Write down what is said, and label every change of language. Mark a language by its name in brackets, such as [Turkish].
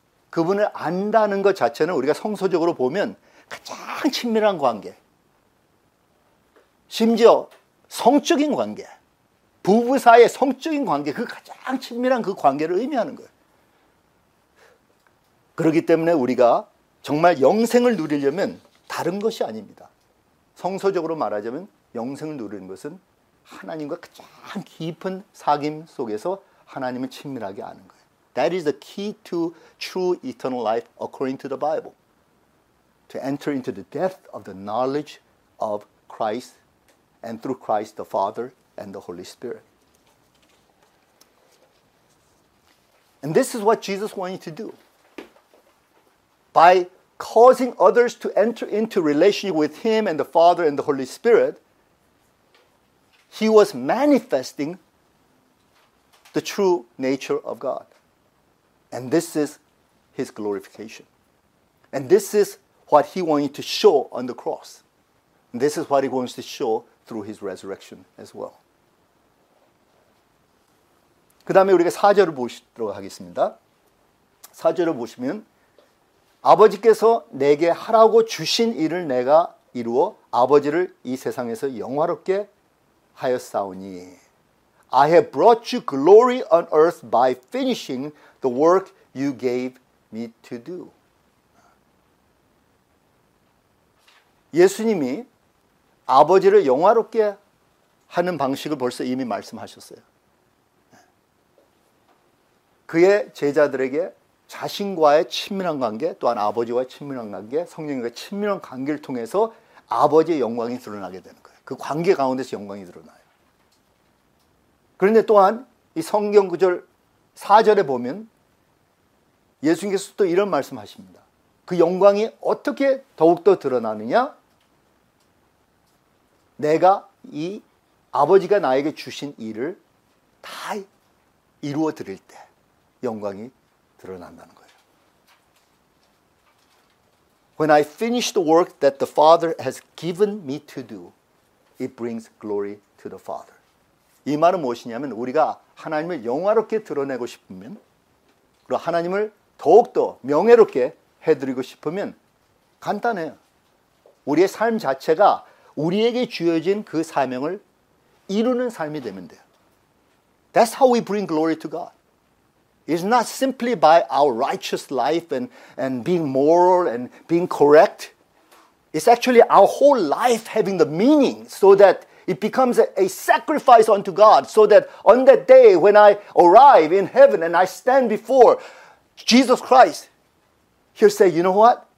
[Korean] 그분을 안다는 것 자체는 우리가 성서적으로 보면 가장 친밀한 관계, 심지어 성적인 관계, 부부 사이의 성적인 관계, 그 가장 친밀한 그 관계를 의미하는 거예요. 그렇기 때문에 우리가 정말 영생을 누리려면 다른 것이 아닙니다. 성서적으로 말하자면 영생을 누리는 것은 하나님과 가장 깊은 사귐 속에서 하나님을 친밀하게 아는 거예요. [English] That is the key to true eternal life according to the Bible. To enter into the depth of the knowledge of Christ and through Christ the Father and the Holy Spirit. And this is what Jesus wanted to do. By causing others to enter into relationship with Him and the Father and the Holy Spirit, He was manifesting the true nature of God. And this is His glorification. And this is what He wanted to show on the cross. And this is what He wants to show through His resurrection as well. [Korean] 그 다음에 우리가 4절을 보시도록 하겠습니다. 4절을 보시면 아버지께서 내게 하라고 주신 일을 내가 이루어 아버지를 이 세상에서 영화롭게 하였사오니 [English] I have brought you glory on earth by finishing the work you gave me to do. [Korean] 예수님이 아버지를 영화롭게 하는 방식을 벌써 이미 말씀하셨어요. 그의 제자들에게 자신과의 친밀한 관계, 또한 아버지와의 친밀한 관계, 성령님과의 친밀한 관계를 통해서 아버지의 영광이 드러나게 되는 거예요. 그 관계 가운데서 영광이 드러나요. 그런데 또한 이 성경 구절 4절에 보면 예수님께서 또 이런 말씀하십니다. 그 영광이 어떻게 더욱더 드러나느냐? 내가 이 아버지가 나에게 주신 일을 다 이루어 드릴 때 영광이 드러난다는 거예요. [English] When I finish the work that the Father has given me to do, it brings glory to the Father. [Korean] 이 말은 무엇이냐면 우리가 하나님을 영화롭게 드러내고 싶으면 그리고 하나님을 더욱더 명예롭게 해드리고 싶으면 간단해요. 우리의 삶 자체가 우리에게 주어진 그 사명을 이루는 삶이 되면 돼요. [English] That's how we bring glory to God. It's not simply by our righteous life and being moral and being correct. It's actually our whole life having the meaning so that it becomes a sacrifice unto God so that on that day when I arrive in heaven and I stand before Jesus Christ, He'll say, you know what?